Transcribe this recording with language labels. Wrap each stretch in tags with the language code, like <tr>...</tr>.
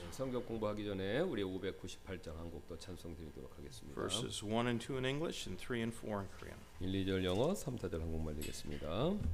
<ko>네, 성경 공부하기 전에 우리 598장 한 곡 더 찬송 드리도록 하겠습니다.</ko> <en>Verses 1 and 2 in English and 3 and 4 in Korean.</en> <ko>1, 2절 영어, 3, 4절 한국말 되겠습니다.</ko>